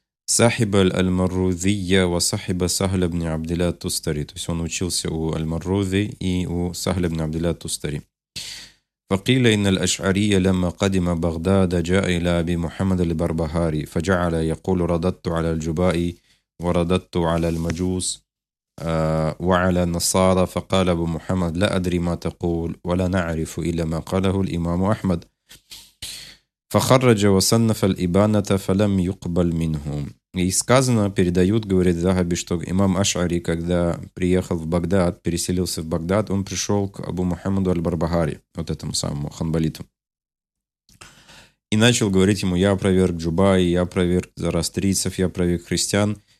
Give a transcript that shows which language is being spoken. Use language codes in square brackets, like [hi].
[ar] صاحب المروذية وصاحب سهل بن عبد الله التستري. [ru] То есть он учился у المروذي и у سهل بن عبد الله التستري. [ar] فقيل إن الأشعرية لما قدم بغداد جاء إلى أبي محمد البربهاري فجعل يقول رددت على الجبائي ورددت على المجوس وعلى النصارى فقال أبو محمد لا أدري ما تقول ولا نعرف إلا ما قاله الإمام أحمد فخرج وصنف الإبانة فلم يقبل منهم. [ru] И сказано, передают, говорит Захаби, что имам Ашари, когда приехал в Багдад, переселился в Багдад, он пришел к Абу Мухаммаду Аль-Барбахари, вот этому самому ханбалиту, и начал говорить ему, я опроверг Джубаи, я опроверг зороастрийцев, я опроверг христиан.